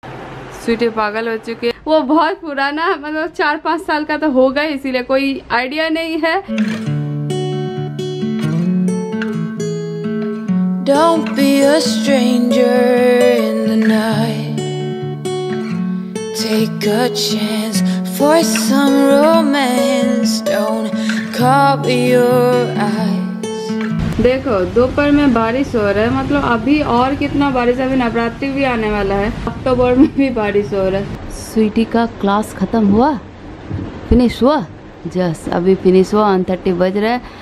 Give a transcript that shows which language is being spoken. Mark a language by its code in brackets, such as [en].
[hi] स्वीटी पागल हो चुकी है, वो बहुत पुराना मतलब 4-5 साल का तो होगा इसीलिए कोई आइडिया नहीं है। [en] Don't be a stranger in the night. Take a chance for some romance. Don't cover your eyes. [hi] देखो दोपहर में बारिश हो रहा है, मतलब अभी और कितना बारिश है, अभी नवरात्रि भी आने वाला है, अक्टूबर में भी बारिश हो रहा है। स्वीटी का क्लास खत्म हुआ, फिनिश हुआ? जस अभी फिनिश हुआ, 1:30 बज रहा है।